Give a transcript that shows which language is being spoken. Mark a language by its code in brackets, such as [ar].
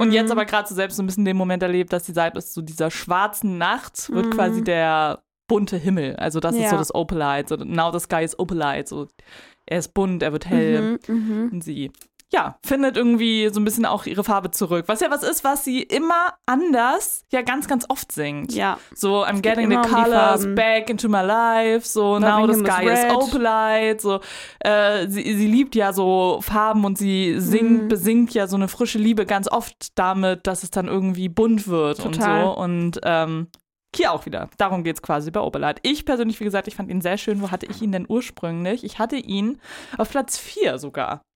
[de] Und jetzt aber gerade so selbst so ein bisschen den Moment erlebt, dass sie sagt, ist so dieser schwarzen Nacht wird quasi der bunte Himmel. Also das ist so das Opalite. [en] So, now the sky is Opalite. [de] So, er ist bunt, er wird hell. Mhm, mh. Und sie, findet irgendwie so ein bisschen auch ihre Farbe zurück. Was ja was ist, was sie immer anders, ganz, ganz oft singt. Ja. [en] So, I'm getting the colors back into my life. So, now the sky is opalite. [de] So, sie liebt ja so Farben und sie singt, besingt ja so eine frische Liebe ganz oft damit, dass es dann irgendwie bunt wird und so. Und hier auch wieder. Darum geht's quasi bei Opalite. Ich persönlich, wie gesagt, ich fand ihn sehr schön. Wo hatte ich ihn denn ursprünglich? Ich hatte ihn auf Platz 4 sogar.